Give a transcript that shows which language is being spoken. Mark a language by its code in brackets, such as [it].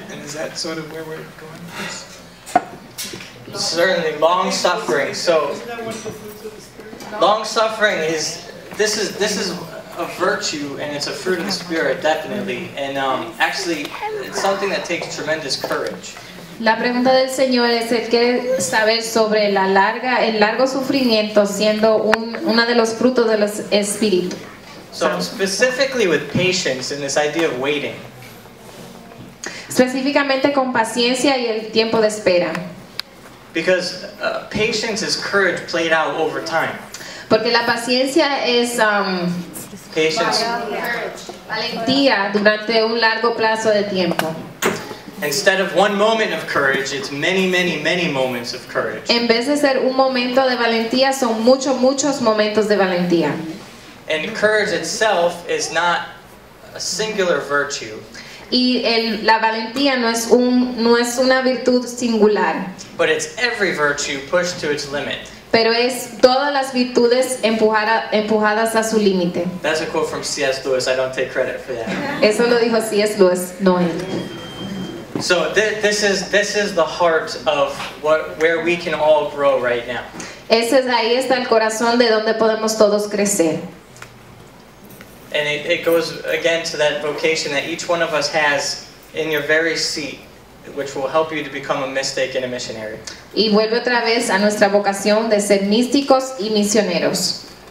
[en] And is that sort of where we're going with this? Certainly, long suffering. So, long suffering is this is a virtue, and it's a fruit of the Spirit, definitely. And actually, it's something that takes tremendous courage. [es] La pregunta del Señor es el que saber sobre la larga, el largo sufrimiento siendo una de los frutos del Espíritu. [en] So specifically with patience and this idea of waiting. [es] Específicamente con paciencia y el tiempo de espera. [en] Because patience is courage played out over time. [es] Porque la paciencia es [en] patience. [es] Valentía durante un largo plazo de tiempo. [en] Instead of one moment of courage, it's many, many, many moments of courage. [es] En vez de ser un momento de valentía, son muchos, muchos momentos de valentía. [en] And courage itself is not a singular virtue. [es] Y la valentía no es una virtud singular. [en] But it's every virtue pushed to its limit. [es] Pero es todas las virtudes empujadas a su límite. [en] That's a quote from C.S. Lewis. I don't take credit for that. [es] Eso lo dijo C.S. Lewis, no él. [en] So this is the heart of where we can all grow right now. [es] Ese es ahí está el corazón de donde podemos todos crecer. [en] And it goes again to that vocation that each one of us has in your very seat, which will help you to become a mystic and a missionary. [es] Y vuelve otra vez a nuestra vocación de ser místicos y misioneros.